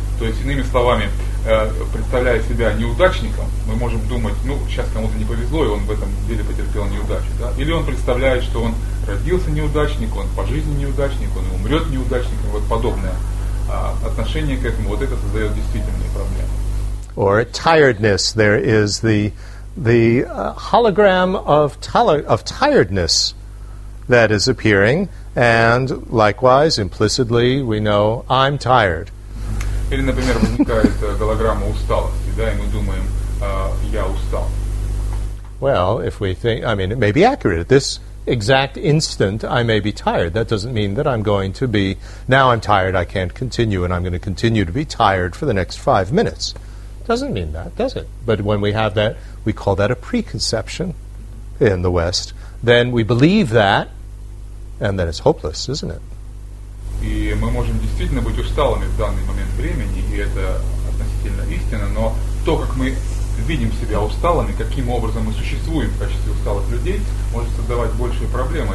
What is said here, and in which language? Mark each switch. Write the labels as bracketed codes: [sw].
[ru] То есть, иными словами, представляя себя неудачником, мы можем думать, ну, сейчас кому-то не повезло, и он в этом деле потерпел неудачу, да? Или он представляет, что он родился неудачником, он по жизни неудачник, он умрет неудачником, вот подобное отношение к этому, вот это создает действительные проблемы. [en] Or tiredness. There is the hologram of tiredness that is appearing, and likewise, implicitly, we know I'm tired. [ru] Или, например, возникает голограмма усталости, да, и мы думаем, я устал. [en] Well, if we think, I mean, it may be accurate. At this exact instant, I may be tired. That doesn't mean that I'm going to be, now I'm tired, I can't continue, and I'm going to continue to be tired for the next 5 minutes. Doesn't mean that, does it? But when we have that, we call that a preconception in the West. Then we believe that, and then it's hopeless, isn't it? [ru] И мы можем действительно быть усталыми в данный момент времени, и это относительно истина, но то, как мы видим себя усталыми, каким образом мы существуем в качестве усталых людей, может создавать большие проблемы.